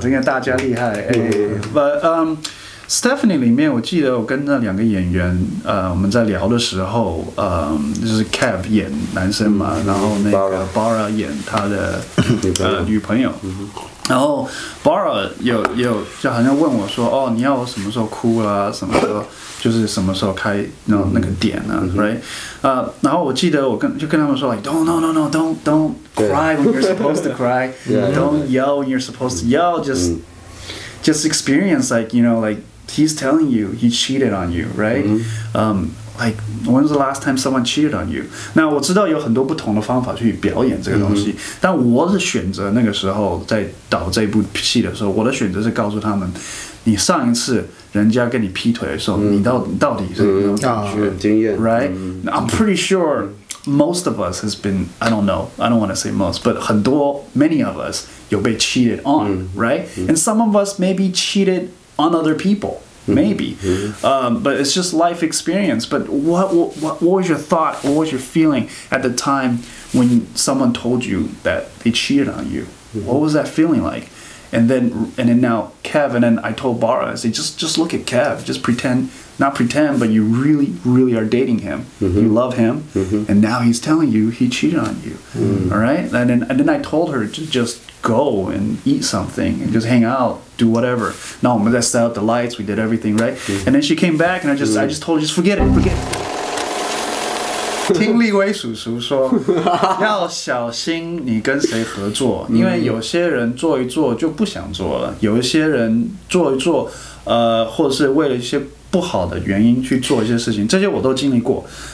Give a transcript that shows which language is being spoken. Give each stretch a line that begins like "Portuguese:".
Chinese: 这个大家厉害，mm-hmm. but Stephanie 里面我记得我跟那两个演员我们在聊的时候就是 Kev 演男生嘛，嗯，然后那个 Bara 演他的女朋友，嗯，然后 Bara 有就好像问我说，哦，你要我什么时候哭啦，啊，什么时候就是什么时候开那个点啊，嗯，
English: right？
Chinese: 然后我记得我就跟他们说
English: like, don't cry when you're supposed to cry, don't yell when you're supposed to yell, just experience, like, you know, like, he's telling you he cheated on you, right? Mm-hmm. Like, when's the last time someone cheated on you?
Chinese: 那我知道有很多不同的方法去表演这个东西， mm-hmm. 但我是选择那个时候在导这部戏的时候，我的选择是告诉他们，你上一次人家跟你劈腿的时候， mm-hmm. 你到底是有没有感觉，经验
English: right? Mm-hmm. I'm pretty sure most of us has been, I don't know, I don't want to say most, but
Chinese: 很多,
English: many of us
Chinese: 有被
English: cheated on, mm-hmm. right? Mm-hmm. And some of us maybe cheated on other people, maybe. Mm-hmm. But it's just life experience. But what was your thought, what was your feeling at the time when someone told you that they cheated on you? Mm-hmm. What was that feeling like? And then now Kev, and then I told Bara, I said, just look at Kev, just pretend, not pretend, but you really, really are dating him. Mm-hmm. You love him. Mm-hmm. And now he's telling you he cheated on you. Mm-hmm. All right. And then I told her to just go and eat something and just hang out, do whatever. No, but I set up the lights. We did everything. Right. Mm-hmm. And then she came back and I just told her, just forget it.
Chinese: 听立威叔叔说要小心你跟谁合作，因为有些人做一做就不想做了，有一些人做一做或者是为了一些不好的原因去做一些事情，这些我都经历过。